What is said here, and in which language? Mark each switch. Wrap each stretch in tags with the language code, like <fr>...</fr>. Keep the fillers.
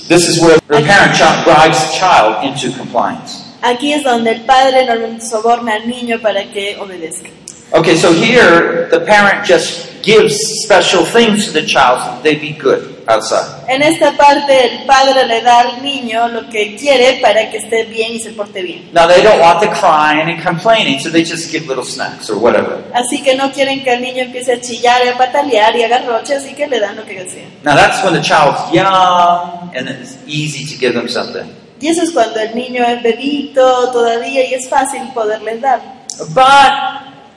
<en>This is where parent the parent bribes a child into compliance.</en> <es>Aquí es donde el padre no soborna al niño para que obedezca.</es> <en>Okay, so here the parent just gives special things to the child so they be good outside.</en> <es>En esta parte el padre le da al niño lo que quiere para que esté bien y se porte bien.</es> <en>Now they don't want to cry and complaining, so they just give little snacks or whatever.</en> <es>Así que no quieren que el niño empiece a chillar a batallar, y a patalear y a garroche, así que le dan lo que desean.</es> <en>Now that's when the child's young and it's easy to give them something.</en> <es>Y eso es cuando el niño es bebito todavía y es fácil poderles dar. But</es>